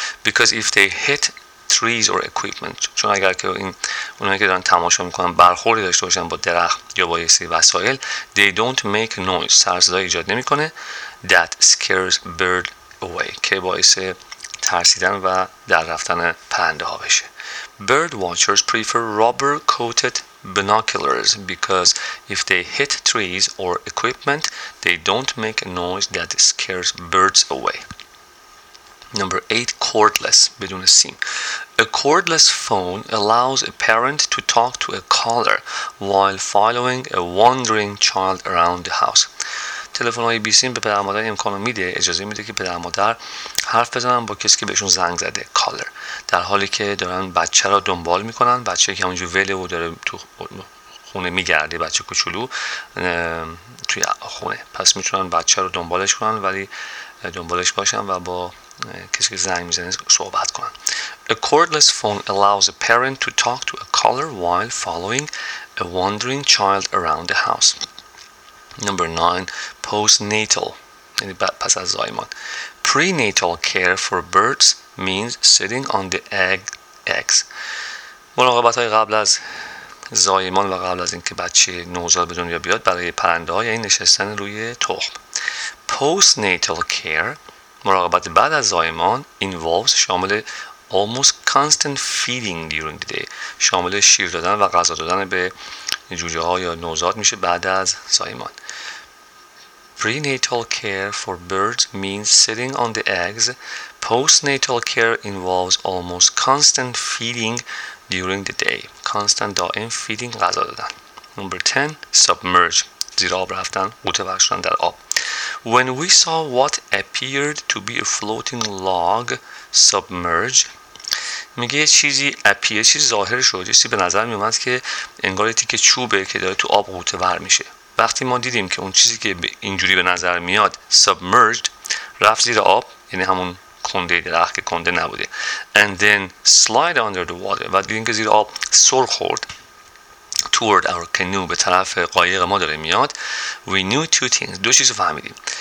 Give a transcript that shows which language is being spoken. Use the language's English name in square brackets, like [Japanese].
[English] Because if they hit trees or equipment، [Persian] چون اگر که این اونایی که دارن تماشا میکنن برخوردی داشته باشن با درخت یا با یک سری وسایل، [English] they don't make noise، [Persian] سر صدا ایجاد نمیکنه، [English] that scares bird away، [Persian] که باعث ترسیدن و در رفتن پرنده ها بشه. [English] Bird watchers prefer rubber coated binoculars because if they hit trees or equipment they don't make a noise that scares birds away. Number 8, cordless, [Persian] بدون سیم. [English] A cordless phone allows a parent to talk to a caller while following a wandering child around the house. [Persian] تلفن های بی سیم به پدر مادر امکان میده، اجازه میده که پدر مادر حرف بزنن با کسی که بهشون زنگ زده، کالر، در حالی که دارن بچه را دنبال میکنن، بچه که همونجور وله و داره تو خونه میگرده، بچه کوچولو توی خونه، پس میتونن بچه را دنبالش کنن ولی دنبالش باشن و با کسی که زنگ میزنه صحبت کنن. [English] A cordless phone allows a parent to talk to a caller while following a wandering child around the house. Number 9, postnatal, [Persian] یعنی پس از زایمان. [English] Prenatal care for birds means sitting on the eggs. [Persian] مراقبت های قبل از زایمان و قبل از اینکه بچه نوزاد به دنیا بیاد برای پرنده ها یعنی نشستن روی تخم. [English] Postnatal care, [Persian] مراقبت بعد از زایمان, [English] involves شامل almost constant feeding during the day. [Persian] شامل شیر دادن و غذا دادن به جوجه ها یا نوزاد میشه بعد از زایمان. [English] Prenatal care for birds means sitting on the eggs. Postnatal care involves almost constant feeding during the day. Constant دائم feeding [Persian] غذا دادن. [English] Number 10, submerge. [Persian] زیر آب رفتن، غوطه ورشدن در آب. [English] When we saw what appeared to be a floating log submerge. [Persian] میگه یه چیزی اپیه، چیزی ظاهر شد، یه چیزی به نظر میومد که انگار یه تیکه چوبه که داره تو آب غوطه ور میشه. وقتی ما دیدیم که اون چیزی که اینجوری به نظر میاد submerged رفت زیر آب، یعنی همون کنده درخت که کنده نبوده، [English] and then slide under the water، [Persian] و دیدیم که زیر آب سر خورد، [English] toward our canoe، [Persian] به طرف قایق ما داره میاد، [English] we knew two things، [Persian] دو چیز فهمیدیم.